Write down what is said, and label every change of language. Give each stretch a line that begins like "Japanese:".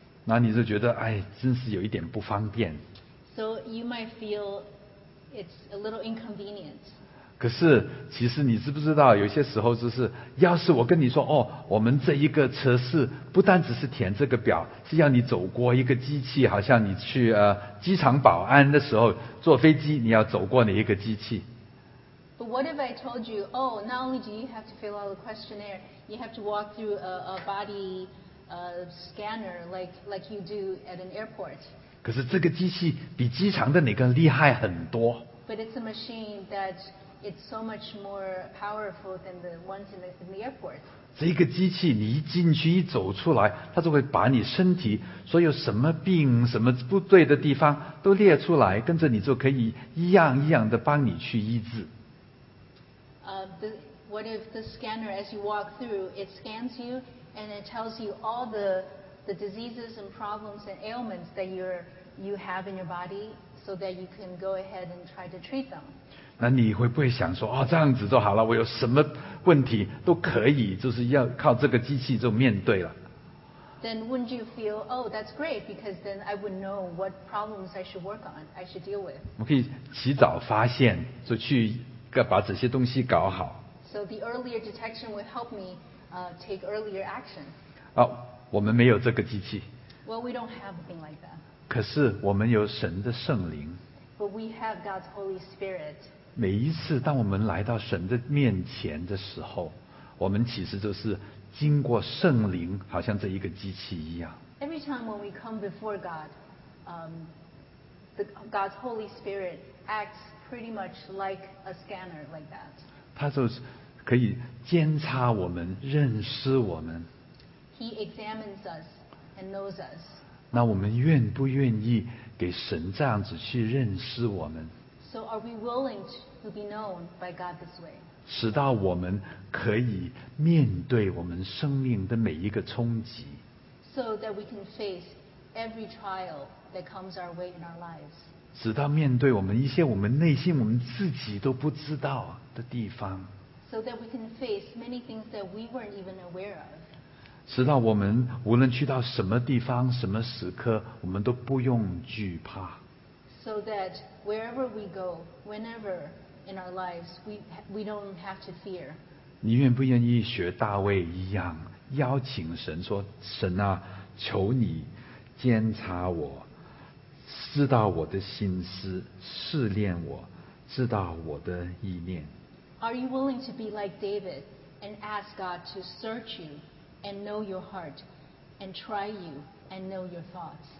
Chinese: 那你就觉得哎，真是有一点不方便。
English: So you might feel it's a little inconvenient.
Chinese: 可是其实你知不知道，有些时候就是，要是我跟你说哦，我们这一个测试不单只是填这个表，是要你走过一个机器，好像你去机场保安的时候坐飞机，你要走过哪一个机器？
English: But what if I told you, oh, not only do you have to fill out a questionnaire, you have to walk through a body scanner like you do at an airport.
Chinese: 可是这个机器比机场的哪个厉害很多。
English: But it's a machine that it's so much more powerful than the ones in the airport.
Chinese: 这个机器你一进去一走出来，它就会把你身体所有什么病什么不对的地方都列出来，跟着你就可以一样一样的帮你去医治。
English: What if the scanner as you walk through it scans you and it tells you all the diseases and problems and ailments that you have in your body so that you can go ahead and try to treat them.
Chinese: 那你会不会想说，哦，这样子就好了，我有什么问题都可以，就是要靠这个机器就面对了。
English: Then wouldn't you feel, oh, that's great, because then I would know what problems I should work on, I should deal with.
Chinese: 我可以及早发现，就去把这些东西搞好。
English: So the earlier detection would help me take earlier action.
Chinese: 哦，我们没有这个机器。
English: Well, we don't have anything like that.
Chinese: 可是我们有神的圣灵。
English: But we have God's Holy Spirit.
Chinese: 每一次当我们来到神的面前的时候，我们其实就是经过圣灵，好像这一个机器一样。
English: Every time when we come before God, God's Holy Spirit acts pretty much like a scanner like that.
Chinese: 他就是可以监察我们，认识我们。
English: He examines us and knows us.
Chinese: 那我们愿不愿意给神这样子去认识我们？
English: So are we willing to be known by God this way?
Chinese: 使到我们可以面对我们生命的每一个冲击。
English: So that we can face every trial that comes our way in our lives.
Chinese: 直到面对我们一些我们内心我们自己都不知道的地方。
English: So that we can face many things that we weren't even aware of.
Chinese: 直到我们无论去到什么地方什么时刻，我们都不用惧怕。
English: So that wherever we go, whenever in our lives, we don't have to fear.
Chinese: 你愿不愿意学大卫一样，邀请神说，神啊，求你监察我，知道我的心思，试炼我，知道我的意念。
English: Are you willing to be like David and ask God to search you and know your heart and try you and know your thoughts?